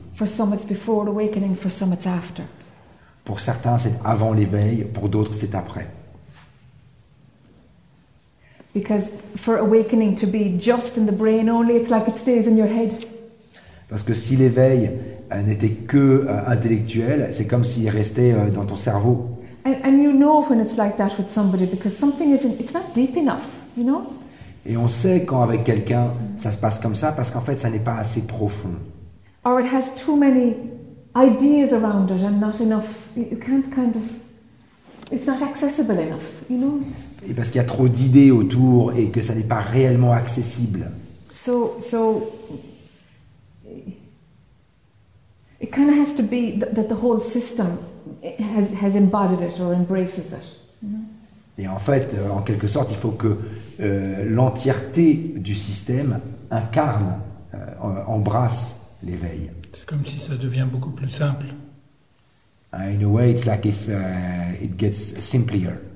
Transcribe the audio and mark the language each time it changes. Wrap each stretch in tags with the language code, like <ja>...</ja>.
<en>For some it's before awakening, for some it's after.</en> <fr>Pour certains, c'est avant l'éveil, pour d'autres, c'est après.</fr> <en>Because for awakening to be just in the brain only, it's like it stays in your head.</en> <fr>Parce que si l'éveil n'était que intellectuel, c'est comme s'il restait dans ton cerveau.</fr> <en>And you know when it's like that with somebody because something isn't, it's not deep enough, you know?</en> <fr>Et on sait quand avec quelqu'un ça se passe comme ça parce qu'en fait ça n'est pas assez profond.</fr> <en>Or it has too many ideas around it and not enough. You can't kind of. It's not accessible enough, you know?</en> <fr>Et parce qu'il y a trop d'idées autour et que ça n'est pas réellement accessible.</fr> <en>So it kind of has to be that the whole system has embodied it or embraces it.</en> <fr>Et en fait, en quelque sorte, il faut que l'entièreté du système incarne, embrasse l'éveil. C'est comme si ça devient beaucoup plus simple.</fr> <en>In a way, it's like if it gets simpler.</en>